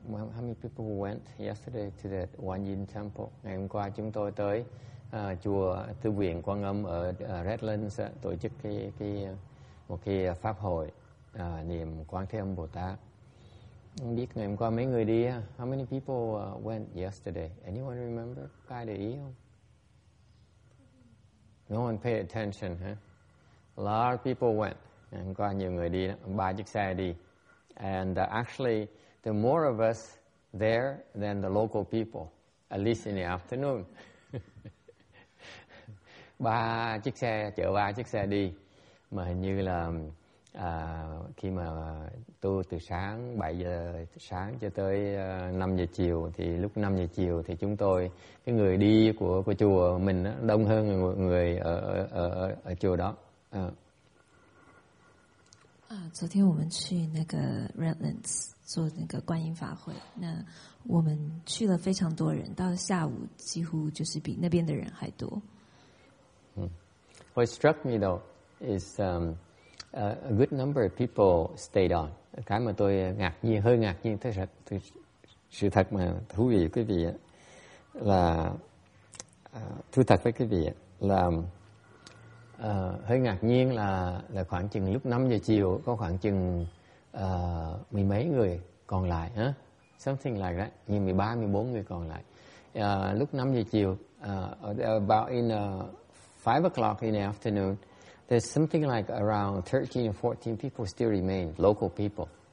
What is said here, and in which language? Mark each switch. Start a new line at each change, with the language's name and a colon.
English: How many people went yesterday to the Quan Yin Temple?
Vietnamese: Ngày hôm qua chúng tôi tới chùa Tư Viện Quan Âm ở Redlands tổ chức một cái pháp hội niệm Quán Thế Âm Bồ Tát. Không biết ngày hôm qua mấy người đi?
English: How many people went yesterday? Anyone remember?
Vietnamese: Có ai để ý không?
English: No one paid attention, huh? A lot of people went.
Vietnamese: Ngày hôm qua nhiều người đi, ba chiếc xe đi.
English: And actually, the more of us there than the local people, at least in the afternoon.
Vietnamese: Ba chiếc xe chở ba chiếc xe đi mà hình như là khi mà tôi từ sáng 7 giờ sáng cho tới 5 giờ chiều thì lúc 5 giờ chiều thì chúng tôi cái người đi của chùa mình đó, đông hơn người ở chùa đó.
Chinese: 昨天我们去那个 Redlands 做那个观音法会，那我们去了非常多人，到下午几乎就是比那边的人还多。
English: What struck me though is a good number of people stayed on.
Vietnamese: Cái mà tôi ngạc nhiên, hơi ngạc nhiên, thật sự thật mà thú vị quý vị là thú thật với quý vị là hơi ngạc nhiên là khoảng chừng lúc 5 giờ chiều có khoảng chừng mười mấy người còn lại, huh?
English: Something like that,
Vietnamese: như 13, 14 người còn lại. Lúc 5 giờ chiều,
English: about in 5 o'clock in the afternoon, there's something like around 13 or 14 people still remain, local people.